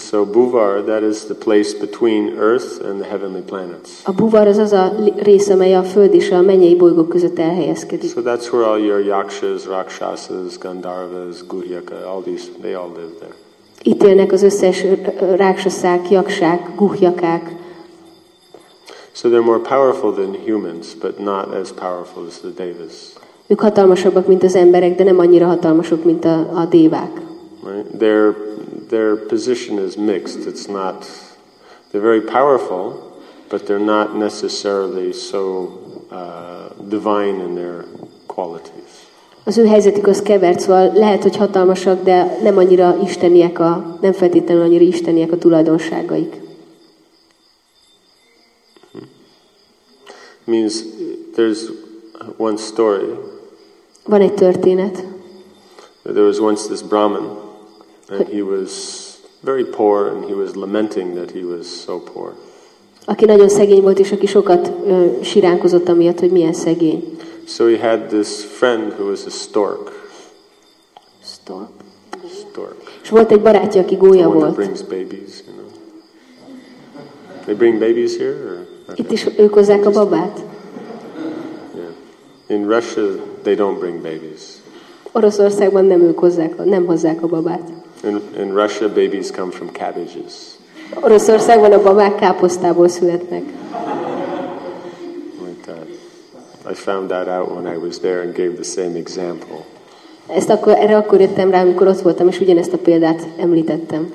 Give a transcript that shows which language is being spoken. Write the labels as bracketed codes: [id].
[en] So Buvar, that is the place between Earth and the heavenly planets. [hu] A Buvar az az a rész, amely a Föld és a mennyei bolygók között elhelyezkedik. [en] So that's where all your yakshas, rakshasas, gandharvas, guhyaka, all these, they all live there. [hu] Itt élnek az összes rakshasák, yakshák, guhyakák. [en] So they're more powerful than humans, but not as powerful as the devas. [hu] Ők hatalmasabbak, mint az emberek, de nem annyira hatalmasok, mint a dévák. [en] Right. Their position is mixed. It's not, they're very powerful, but they're not necessarily so divine in their qualities. [hu] Az ő helyzetük az kevert, szóval lehet, hogy hatalmasak, de nem annyira isteniek nem feltétlenül annyira isteniek a tulajdonságaik. [en] Hmm. Means there's one story. [hu] Van egy történet. [en] There was once this Brahmin, and he was very poor, and he was lamenting that he was so poor. [hu] Aki nagyon szegény volt, és aki sokat siránkozott amiatt, hogy milyen szegény. [en] So he had this friend who was a stork. Stork. Stork. [hu] És volt egy barátja, aki gólya volt. [en] The one that brings babies, you know. They bring babies here? Or? [hu] Itt is ők hozzák a babát. [en] In Russia, they don't bring babies. [hu] Oroszországban nem hozzák a babát. [en] In Russia, babies come from cabbages. [hu] Oroszországban a babák káposztából születnek. [en] Like that. I found that out when I was there and gave the same example. [hu] Ezt akkor erre akkor jöttem rá, amikor ott voltam, és ugyanezt a példát említettem.